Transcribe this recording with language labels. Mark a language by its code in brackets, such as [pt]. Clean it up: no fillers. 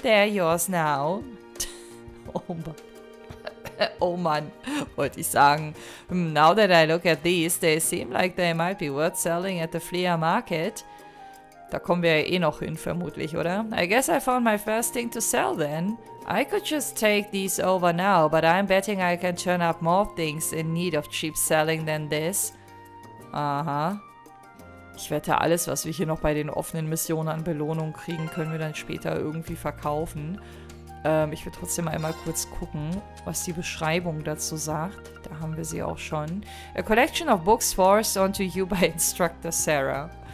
[en] They're yours now. [de] Oh man, wollte ich sagen. [en] Now that I look at these, they seem like they might be worth selling at the flea market. [de] Da kommen wir ja eh noch hin, vermutlich, oder? [en] I guess I found my first thing to sell then. I could just take these over now, but I'm betting I can turn up more things in need of cheap selling than this. Aha. [de] Ich wette, alles, was wir hier noch bei den offenen Missionen an Belohnung kriegen, können wir dann später irgendwie verkaufen. Ich will trotzdem einmal kurz gucken, was die Beschreibung dazu sagt. Da haben wir sie auch schon. [en] A collection of books forced onto you by Instructor Sarah.